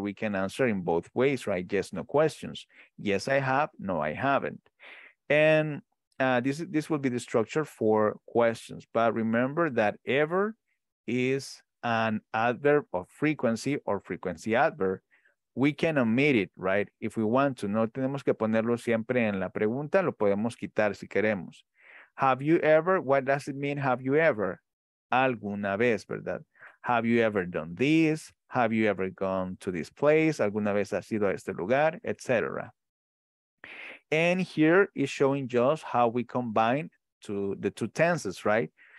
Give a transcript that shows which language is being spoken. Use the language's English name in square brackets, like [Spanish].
[English] We can answer in both ways, right? Yes, no questions. Yes, I have. No, I haven't. And this will be the structure for questions, but remember that ever is an adverb of frequency or frequency adverb. We can omit it, right? If we want to, [Spanish] no tenemos que ponerlo siempre en la pregunta, lo podemos quitar si queremos. [English] Have you ever, what does it mean, have you ever? [Spanish] Alguna vez, ¿verdad? [English] Have you ever done this? Have you ever gone to this place? [Spanish] Alguna vez has ido a este lugar, etc. [English] And here is showing just how we combine to the two tenses, right?